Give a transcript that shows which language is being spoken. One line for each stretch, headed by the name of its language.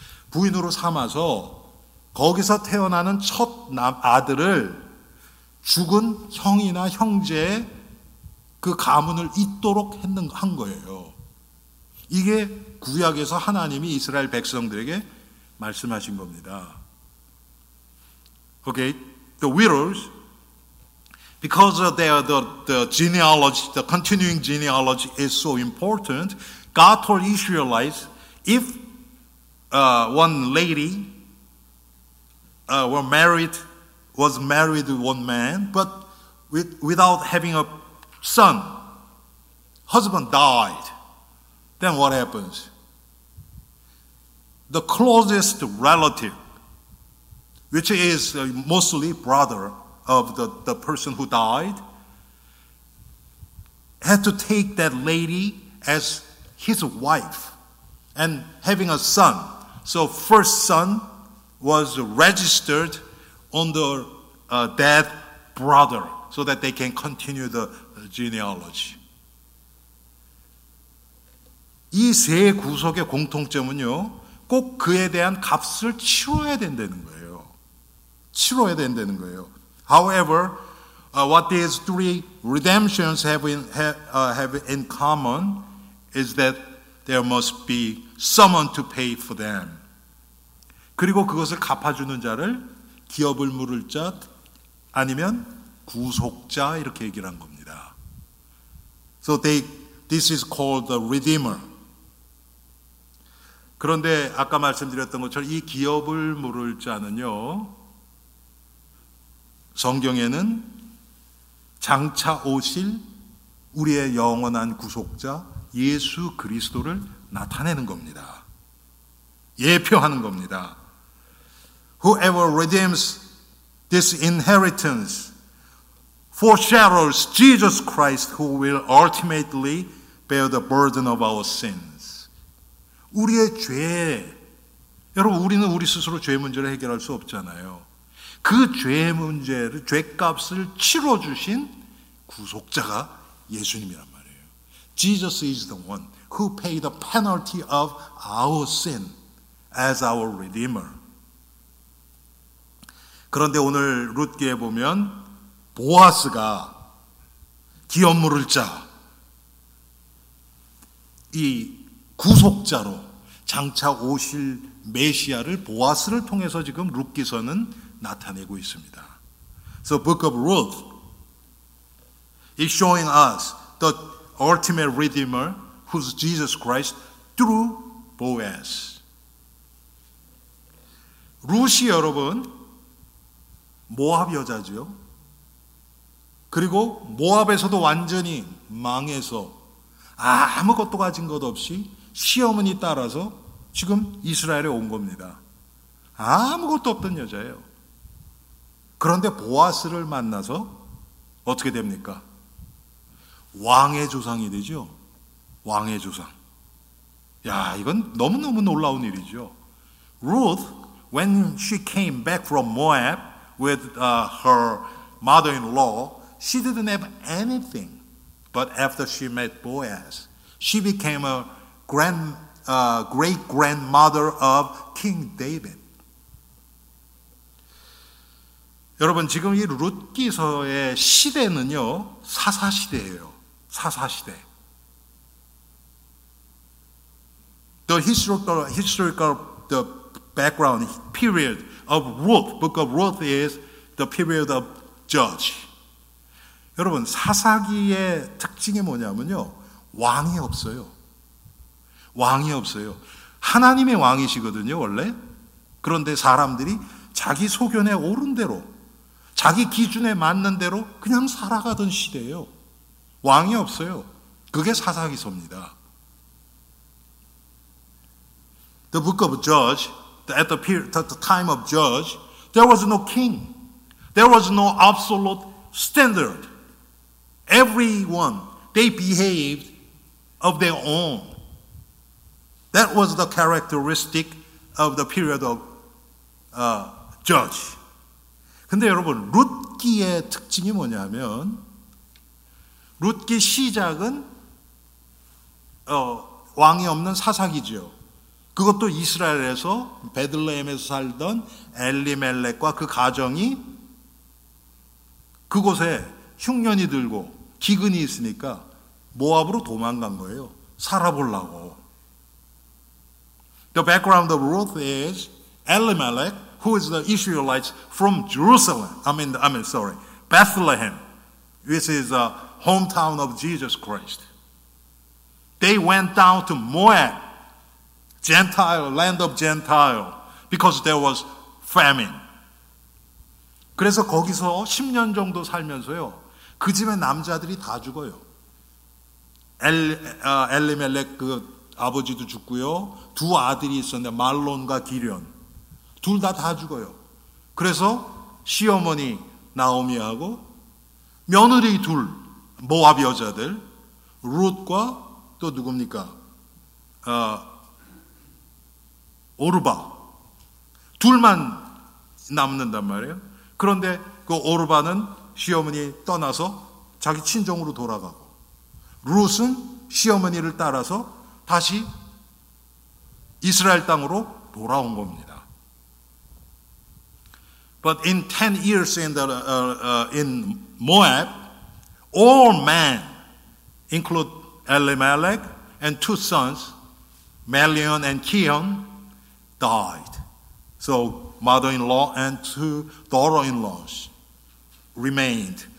Korean: 부인으로 삼아서 거기서 태어나는 첫 아들을 죽은 형이나 형제의 그 가문을 잇도록 한 거예요. 이게 구약에서 하나님이 이스라엘 백성들에게 말씀하신 겁니다.
English: Okay, the widows, because they are the genealogy, the continuing genealogy is so important, God told Israelites, if one lady was married to one man, but without having a son, husband died, then what happens? The closest relative, which is mostly brother of the person who died, had to take that lady as his wife and having a son. So first son was registered on the dead brother so that they can continue the genealogy.
Korean: 이 세 구석의 공통점은요, 꼭 그에 대한 값을 치워야 된다는 거예요. 치워야 된다는 거예요.
English: However, what these three redemptions have in common is that there must be someone to pay for them.
Korean: 그리고 그것을 갚아주는 자를 기업을 물을 자 아니면 구속자 이렇게 얘기를 한 겁니다.
English: So this is called the redeemer.
Korean: 그런데 아까 말씀드렸던 것처럼 이 기업을 물을 자는요, 성경에는 장차 오실 우리의 영원한 구속자 예수 그리스도를 나타내는 겁니다. 예표하는 겁니다.
English: Whoever redeems this inheritance foreshadows Jesus Christ who will ultimately bear the burden of our sins.
Korean: 우리의 죄, 여러분 우리는 우리 스스로 죄 문제를 해결할 수 없잖아요. 그 죄 문제를, 죄값을 치러주신 구속자가 예수님이란 말이에요.
English: Jesus is the one who paid the penalty of our sin as our redeemer.
Korean: 그런데 오늘 룻기에 보면 보아스가 기업 물을 자 이 구속자로 장차 오실 메시아를 보아스를 통해서 지금 룻기서는 나타내고 있습니다.
English: So book of Ruth is showing us the ultimate redeemer who's Jesus Christ through Boaz.
Korean: 룻이 여러분 모압 여자죠. 그리고 모압에서도 완전히 망해서 아무것도 가진 것 없이 시어머니 따라서 지금 이스라엘에 온 겁니다. 아무것도 없던 여자예요. 그런데 보아스를 만나서 어떻게 됩니까? 왕의 조상이 되죠. 왕의 조상. 야, 이건 너무너무 놀라운 일이죠.
English: Ruth, when she came back from Moab with her mother-in-law, she didn't have anything. But after she met Boaz, she became a great-grandmother of King David.
Korean: 여러분, 지금 이 룻기서의 시대는요, 사사시대예요. 사사시대.
English: The background period of Ruth, Book of Ruth is the period of judge.
Korean: 여러분, 사사기의 특징이 뭐냐면요, 왕이 없어요. 왕이 없어요. 하나님의 왕이시거든요, 원래. 그런데 사람들이 자기 소견에 오른 대로, 자기 기준에 맞는 대로 그냥 살아가던 시대예요. 왕이 없어요. 그게 사사기서입니다.
English: The book of Judge, at the time of Judge, there was no king. There was no absolute standard. Everyone, they behaved of their own. That was the characteristic of the period of Judge.
Korean: 근데 여러분, 룻기의 특징이 뭐냐면 룻기 시작은 왕이 없는 사사기죠. 그것도 이스라엘에서 베들레헴에서 살던 엘리멜렉과 그 가정이 그곳에 흉년이 들고 기근이 있으니까 모압으로 도망간 거예요. 살아보려고.
English: The background of Ruth is Elimelech, who is the Israelites from Jerusalem. Bethlehem, which is the hometown of Jesus Christ. They went down to Moab, Gentile, land of Gentile, because there was famine.
Korean: 그래서 거기서 10년 정도 살면서요, 그 집의 남자들이 다 죽어요. 엘리멜렉 그 아버지도 죽고요. 두 아들이 있었는데 말론과 기련. 둘 다 죽어요. 그래서 시어머니 나오미하고 며느리 둘, 모압 여자들, 룻과 또 누굽니까? 오르바. 둘만 남는단 말이에요. 그런데 그 오르바는 시어머니 떠나서 자기 친정으로 돌아가고 룻은 시어머니를 따라서 다시 이스라엘 땅으로 돌아온 겁니다.
English: But in 10 years in Moab, all men, include Elimelech and two sons, Malion and Kion, died. So mother-in-law and two daughter-in-laws remained.